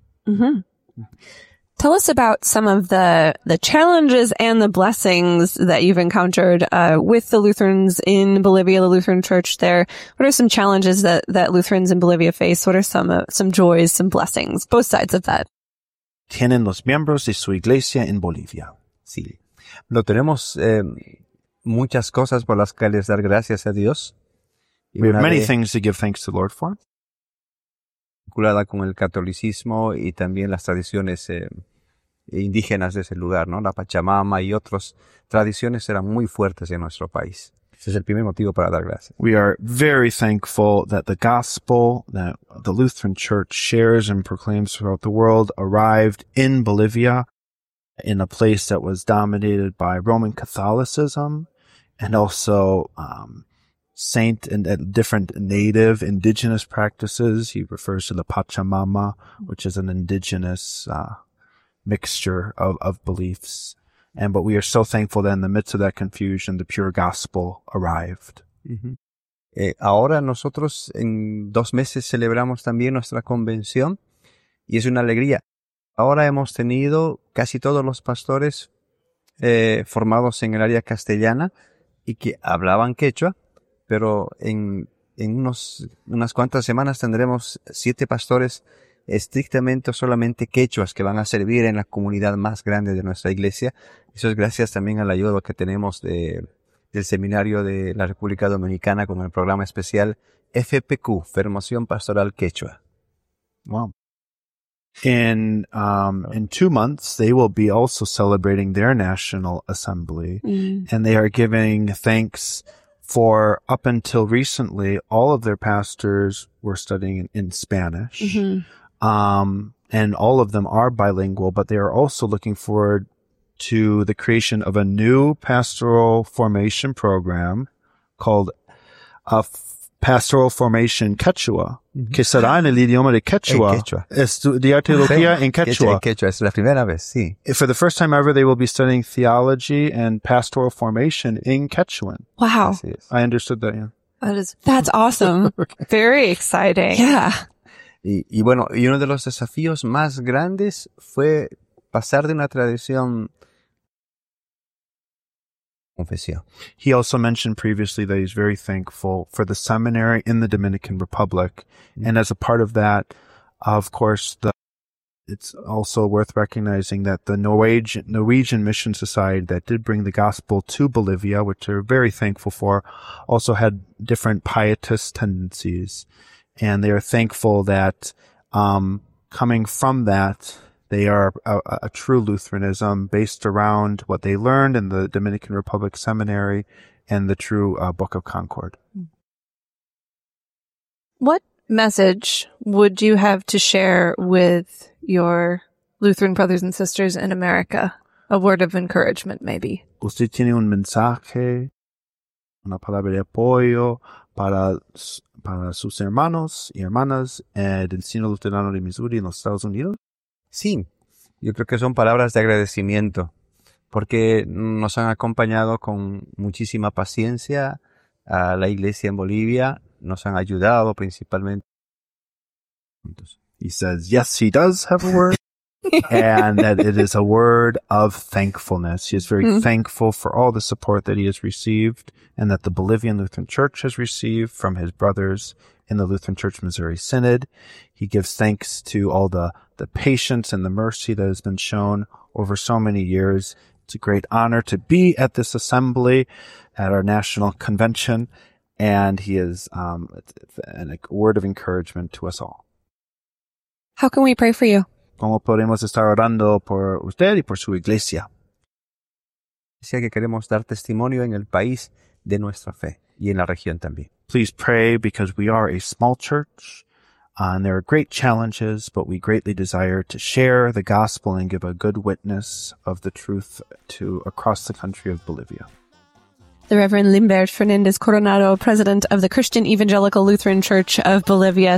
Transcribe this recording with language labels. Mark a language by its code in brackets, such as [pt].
[en] Mm-hmm. Tell us about some of the challenges and the blessings that you've encountered with the Lutherans in Bolivia, the Lutheran Church there. What are some challenges that Lutherans in Bolivia face? What are some joys, some blessings, both sides of that? [es] Tienen los miembros de su iglesia en Bolivia. Sí. Lo tenemos... muchas cosas por las cuales dar gracias a Dios. [en] We have many things to give thanks to the Lord for. [es] Vinculada con el catolicismo y también las tradiciones indígenas de ese lugar, ¿no? La Pachamama y otras tradiciones eran muy fuertes en nuestro país. Ese es el primer motivo para dar gracias. [en] We are very thankful that the gospel that the Lutheran Church shares and proclaims throughout the world arrived in Bolivia, in a place that was dominated by Roman Catholicism and also saint and different native indigenous practices. He refers to the Pachamama, which is an indigenous mixture of beliefs. And but we are so thankful that in the midst of that confusion, the pure gospel arrived. Mm-hmm. [es] Ahora nosotros en 2 meses celebramos también nuestra convención y es una alegría. Ahora hemos tenido casi todos los pastores formados en el área castellana y que hablaban quechua, pero en unas cuantas semanas tendremos 7 pastores estrictamente solamente quechuas que van a servir en la comunidad más grande de nuestra iglesia. Eso es gracias también a la ayuda que tenemos del seminario de la República Dominicana con el programa especial FPQ, Formación Pastoral Quechua. Wow. [en] In 2 months, they will be also celebrating their national assembly, and they are giving thanks for up until recently, all of their pastors were studying in Spanish, and all of them are bilingual, but they are also looking forward to the creation of a new pastoral formation program called a Pastoral Formation Quechua, [es] que será en el idioma de Quechua. En Quechua. Estudiar teología en Quechua. En Quechua, es la primera vez, sí. [en] For the first time ever, they will be studying theology and pastoral formation in Quechuan. Wow. I understood that, yeah. That's awesome. Very exciting. Yeah. [es] Y bueno, y uno de los desafíos más grandes fue pasar de una tradición... [en] He also mentioned previously that he's very thankful for the seminary in the Dominican Republic. Mm-hmm. And as a part of that, of course, it's also worth recognizing that the Norwegian Mission Society that did bring the gospel to Bolivia, which they're very thankful for, also had different pietist tendencies. And they are thankful that coming from that, they are a true Lutheranism based around what they learned in the Dominican Republic Seminary and the true Book of Concord. What message would you have to share with your Lutheran brothers and sisters in America? A word of encouragement, maybe. [es] ¿Usted tiene un mensaje, una palabra de apoyo para sus hermanos y hermanas del Sino Luterano de Missouri en los Estados Unidos? Sí, yo creo que son palabras de agradecimiento, porque nos han acompañado con muchísima paciencia a la iglesia en Bolivia, nos han ayudado principalmente. [en] He says, yes, he does have a word, and that it is a word of thankfulness. He is very thankful for all the support that he has received and that the Bolivian Lutheran Church has received from his brothers in the Lutheran Church Missouri Synod. He gives thanks to all the patience and the mercy that has been shown over so many years. It's a great honor to be at this assembly at our national convention, and he is a word of encouragement to us all. How can we pray for you? [es] ¿Cómo podemos estar orando por usted y por su iglesia? Decía que queremos dar testimonio en el país de nuestra fe y en la región también. [en] Please pray because we are a small church and there are great challenges, but we greatly desire to share the gospel and give a good witness of the truth to across the country of Bolivia. The Reverend Limbert Fernandez Coronado, President of the Christian Evangelical Lutheran Church of Bolivia.